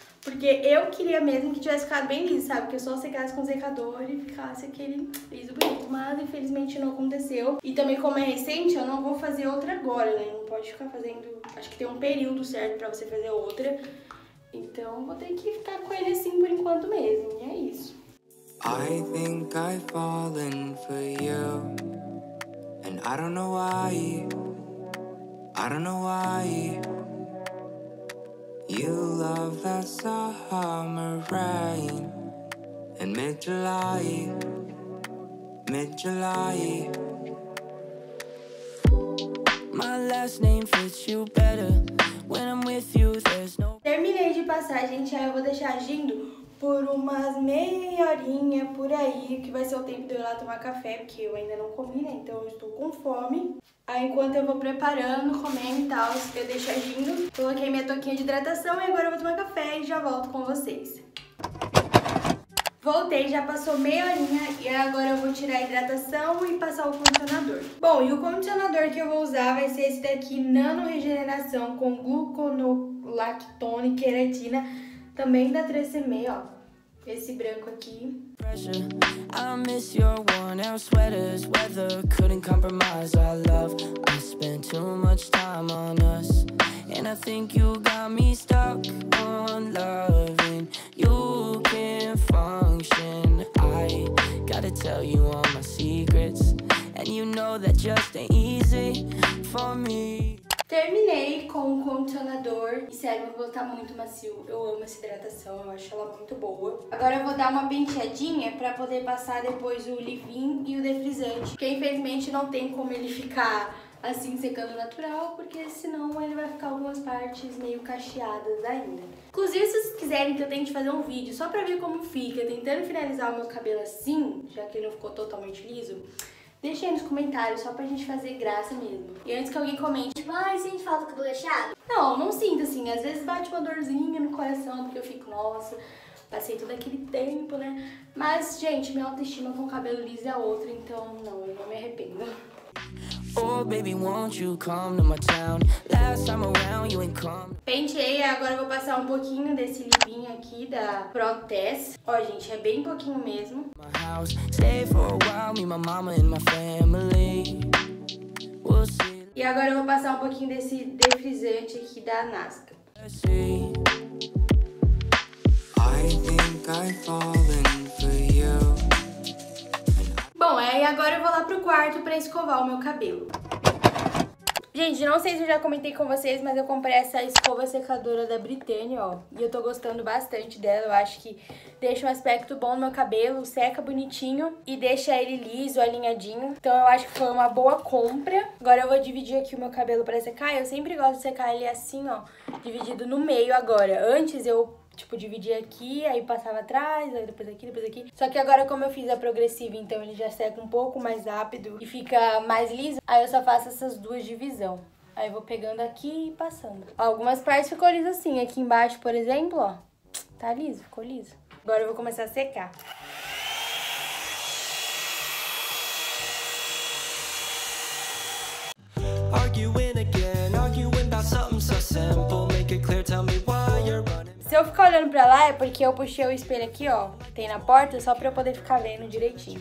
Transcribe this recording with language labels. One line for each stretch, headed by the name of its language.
Portuguese: Porque eu queria mesmo que tivesse ficado bem liso, sabe? Que eu só secasse com o secador e ficasse aquele liso bonito. Mas infelizmente não aconteceu. E também como é recente, eu não vou fazer outra agora, né? Não pode ficar fazendo... Acho que tem um período certo pra você fazer outra. Então vou ter que ficar com ele assim por enquanto mesmo. E é isso.
English: I think I've fallen for you. And I don't know why. I don't know why you love that summer rain in mid-July, mid-July. My last name fits you better when I'm with you. There's no.
Portuguese: Terminei de passar, gente. Aí eu vou deixar agindo por umas meia horinha por aí, que vai ser o tempo de eu ir lá tomar café, porque eu ainda não comi, né? Então eu estou com fome. Aí enquanto eu vou preparando, comendo e tal, eu deixo agindo. Coloquei minha touquinha de hidratação e agora eu vou tomar café e já volto com vocês. Voltei, já passou meia horinha e agora eu vou tirar a hidratação e passar o condicionador. Bom, e o condicionador que eu vou usar vai ser esse daqui, Nano Regeneração com gluconolactone e queratina. Também da 3CME, ó. Esse branco aqui.
English: I miss your worn out sweaters. Weather couldn't compromise our love. I spent too much time on us. And I think you got me stuck on loving. You can't function. I gotta tell you all my secrets. And you know that just ain't easy for me.
Portuguese: Terminei com o condicionador. E sério, meu cabelo tá muito macio. Eu amo essa hidratação, eu acho ela muito boa. Agora eu vou dar uma penteadinha pra poder passar depois o leave-in e o defrizante. Porque infelizmente não tem como ele ficar assim secando natural, porque senão ele vai ficar algumas partes meio cacheadas ainda. Inclusive, se vocês quiserem que eu tente fazer um vídeo só pra ver como fica, tentando finalizar o meu cabelo assim, já que ele não ficou totalmente liso, deixa aí nos comentários, só pra gente fazer graça mesmo. E antes que alguém comente, tipo, ai, sente falta do cabelo cacheado? Não, não sinto, assim. Às vezes bate uma dorzinha no coração, porque eu fico, nossa, passei todo aquele tempo, né? Mas, gente, minha autoestima com o cabelo liso é outra, então, não, eu não me arrependo.
English: Oh, baby, won't you come to my town? Last time around, you ain't come.
Portuguese: Penteei, agora eu vou passar um pouquinho desse leave-in aqui da Protess. Ó, gente, é bem pouquinho mesmo.
English: My house, stay for a while, me, my mama and my family. We'll see.
Portuguese: E agora eu vou passar um pouquinho desse defrizante aqui da Nasca.
English: I think I've fallen for you.
Portuguese: Bom, aí agora eu vou lá pro quarto pra escovar o meu cabelo. Gente, não sei se eu já comentei com vocês, mas eu comprei essa escova secadora da Britânia, ó. E eu tô gostando bastante dela, eu acho que deixa um aspecto bom no meu cabelo, seca bonitinho e deixa ele liso, alinhadinho. Então eu acho que foi uma boa compra. Agora eu vou dividir aqui o meu cabelo pra secar. Eu sempre gosto de secar ele assim, ó, dividido no meio agora. Antes eu... tipo, dividia aqui, aí passava atrás, aí depois aqui. Só que agora, como eu fiz a progressiva, então ele já seca um pouco mais rápido e fica mais liso. Aí eu só faço essas duas divisão. Aí eu vou pegando aqui e passando. Ó, algumas partes ficou liso assim. Aqui embaixo, por exemplo, ó. Tá liso, ficou liso. Agora eu vou começar a secar.
English: Arguing again, arguing about something so simple. Make it clear, tell me why.
Portuguese: Se eu ficar olhando pra lá, é porque eu puxei o espelho aqui, ó, que tem na porta, só pra eu poder ficar vendo direitinho.